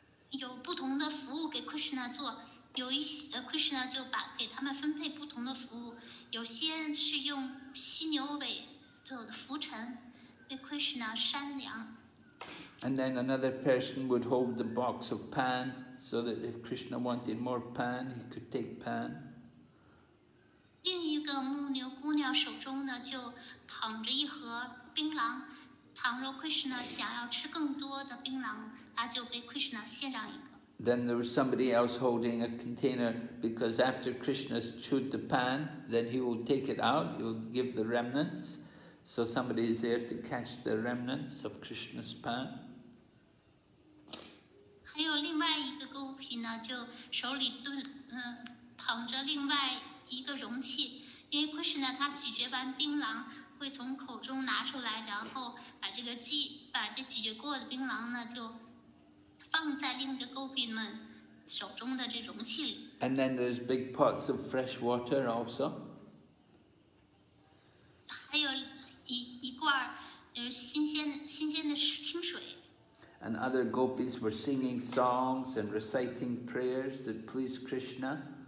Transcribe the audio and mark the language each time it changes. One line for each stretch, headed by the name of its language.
Chinese: 有不同的服务给 Krishna 做，有一些 Krishna 就把给他们分配不同的服务。有些是用犀牛尾做的浮尘，为 Krishna 扇凉。
English: And then another person would hold the box of pan, so that if Krishna wanted more pan, he could take pan.
Chinese: 另一个牧牛姑娘手中呢，就捧着一盒槟榔。倘若 Krishna 想要吃更多的槟榔，她就给 Krishna 献上一个。
English: Then there was somebody else holding a container because after Krishna chewed the pan, then he will take it out. He will give the remnants. So somebody is there to catch the remnants of Krishna's pan.
Chinese: 还有另外一个gopi呢，就手里捧着另外。一个容器，因为 Krishna 他咀嚼完槟榔，会从口中拿出来，然后把这咀嚼过的槟榔呢，就放在另一个 gopi 们手中的这容器里。
English: And then there's big pots of fresh water also.
Chinese: 还有一罐新鲜的清水。
English: And other gopis were singing songs and reciting prayers that pleased Krishna.